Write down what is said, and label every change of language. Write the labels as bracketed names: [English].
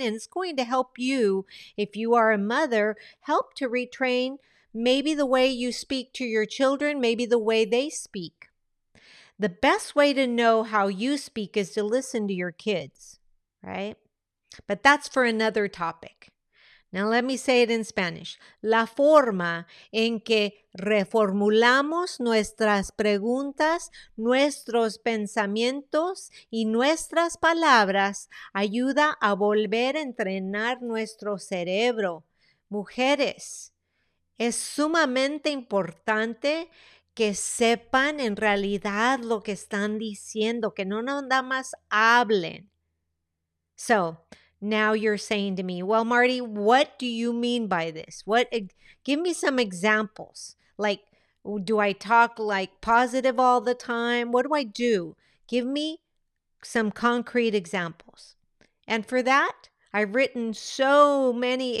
[English] And it's going to help you, if you are a mother, help to retrain maybe the way you speak to your children, maybe the way they speak. The best way to know how you speak is to listen to your kids, right? But that's for another topic. Now let me say it in Spanish. [Spanish] La forma en que reformulamos nuestras preguntas, nuestros pensamientos y nuestras palabras ayuda a volver a entrenar nuestro cerebro. Mujeres, es sumamente importante que sepan en realidad lo que están diciendo, que no nada más hablen. [English] So, now you're saying to me, well, Marty, what do you mean by this? What? Give me some examples. Like, do I talk like positive all the time? What do I do? Give me some concrete examples. And for that, I've written so many.